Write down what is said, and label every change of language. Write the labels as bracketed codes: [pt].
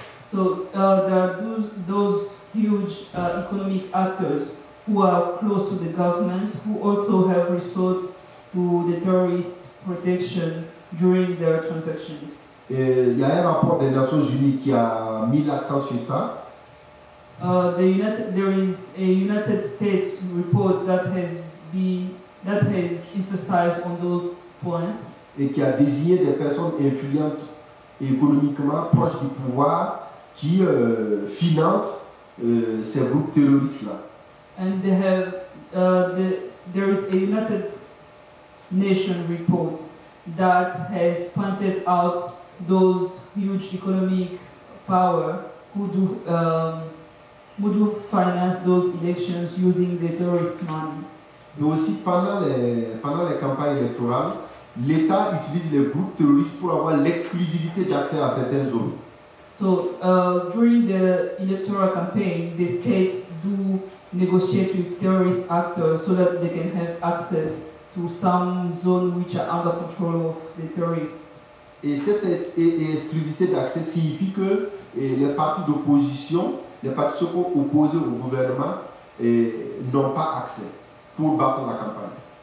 [en] So there are those huge economic actors who are close to the government who also have resorted to the terrorists protection during their transactions. [fr] Il y a un rapport des Nations Unies qui a mis l'accent sur ça. [en] There is a United States report that has emphasized on those points. [fr] Et qui a désigné des personnes influentes économiquement proches du pouvoir qui financent ces groupes terroristes là. [en] And they have there is a United Nation reports that has pointed out those huge economic power who do finance those elections using the terrorist money. [fr] Et aussi pendant les campagnes électorales, l'État utilise les groupes terroristes pour avoir l'exclusivité d'accès à certaines zones. [en] So during the electoral campaign, the state do negotiate with terrorist actors so that they can have access to some zone which are under control of the terrorists. [fr] Et cette exclusivité d'accès signifie que les partis d'opposition, les partis opposés au gouvernement, n'ont pas accès pour battre la campagne.